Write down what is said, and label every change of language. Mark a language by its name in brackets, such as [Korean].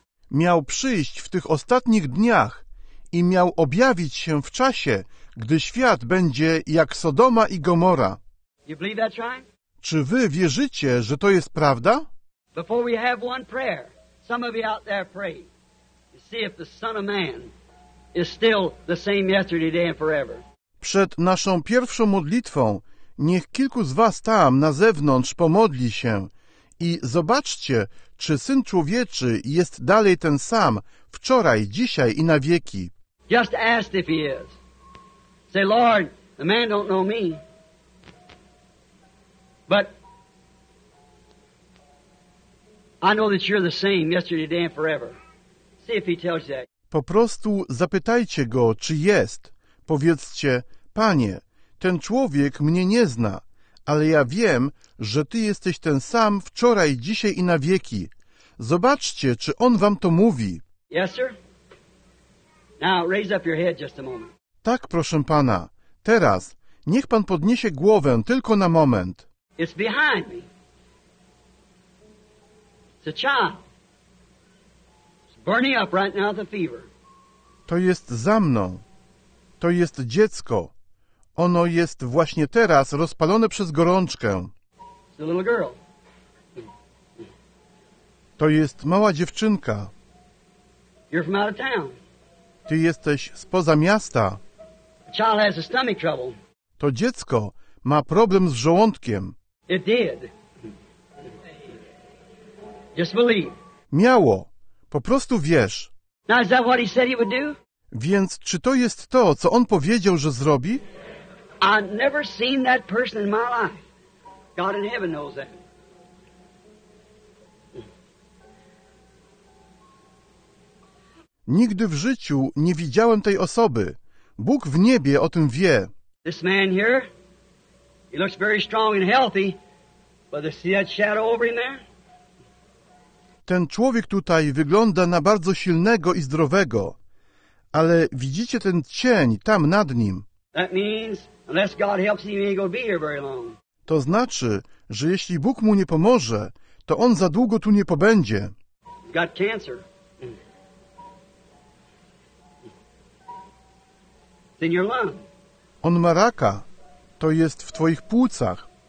[Polish] Miał przyjść w tych ostatnich dniach i miał objawić się w czasie, gdy świat będzie jak Sodoma i Gomora. Czy wy wierzycie, że to jest prawda? [English] Before we have one prayer, some of you out there pray to see if the Son of Man is still the same yesterday, today and forever. [Polish] Przed naszą pierwszą modlitwą niech kilku z was tam na zewnątrz pomodli się i zobaczcie, czy Syn Człowieczy jest dalej ten sam wczoraj, dzisiaj i na wieki. [English] Just ask if he is. Say, Lord, the man don't know me. But I know that you're the same yesterday, today and forever. See if he tells you that. [Polish] Po prostu zapytajcie go, czy jest. Powiedzcie, Panie, ten człowiek mnie nie zna, ale ja wiem, że Ty jesteś ten sam wczoraj, dzisiaj i na wieki. Zobaczcie, czy on wam to mówi. [English] Yes, sir. Now, raise up your head just a moment. [Polish] Tak, proszę Pana. Teraz niech Pan podniesie głowę tylko na moment. [English] It's behind me. It's a child. It's burning up right now with a fever. [Polish] To jest za mną. To jest dziecko. Ono jest właśnie teraz rozpalone przez gorączkę. [English] It's a little girl. [Polish] To jest mała dziewczynka. [English] You're from out of town. [Polish] Ty jesteś spoza miasta. [English] The child has a stomach trouble. [Polish] To dziecko ma problem z żołądkiem. [English] It did. Just believe. [Polish] Miało. Po prostu wierz. [English] Now, is that what he said he would do? [Polish] Więc czy to jest to, co on powiedział, że zrobi? [English] I've never seen that person in my life. God in heaven knows that. [Polish] Nigdy w życiu nie widziałem tej osoby. Bóg w niebie o tym wie. [English] This man here, he looks very strong and healthy. But you see that shadow over him there? [Polish] Ten człowiek tutaj wygląda na bardzo silnego i zdrowego. Ale widzicie ten cień tam nad nim. [English] That means, unless God helps him, he ain't gonna be here very long. [Polish] To znaczy, że jeśli Bóg mu nie pomoże, to on za długo tu nie pobędzie. [English] He's got cancer. It's in your lung. [Polish] On ma raka. To jest w twoich płucach.